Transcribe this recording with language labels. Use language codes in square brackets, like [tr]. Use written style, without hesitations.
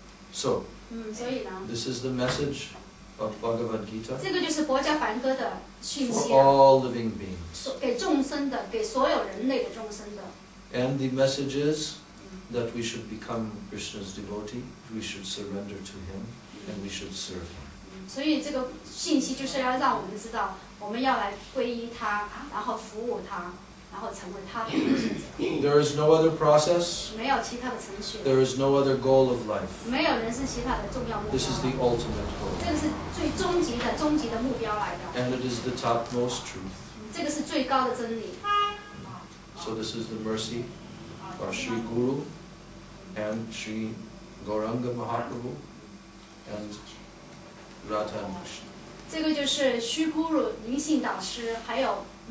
[zh] 所以我告诉你这个真理。喂。So. [en] This is the message of Bhagavad Gita. [zh] 这个就是博伽梵歌的。 [en] For all living beings, [zh] 给众生的，给所有人类的众生的。 [en] And the message is that we should become Krishna's devotee, we should surrender to him, and we should serve him. [zh] 所以这个信息就是要让我们知道，我们要来皈依他，然后服务他，然后成为他的。 [en] There is no other process. [zh] 没有其他的程序。 [en] There is no other goal of life. [zh] 没有人是其他的重要目标。 [en] This is the ultimate goal. [zh] 这个是最终极的终极的目标来的。 [en] And it is the topmost truth. [zh] 这个是最高的真理。 [en] So this is the mercy of Sri Guru and Sri Gauranga Mahaprabhu and Radha and Krishna. [zh] 这个就是虚咕噜灵性导师还有。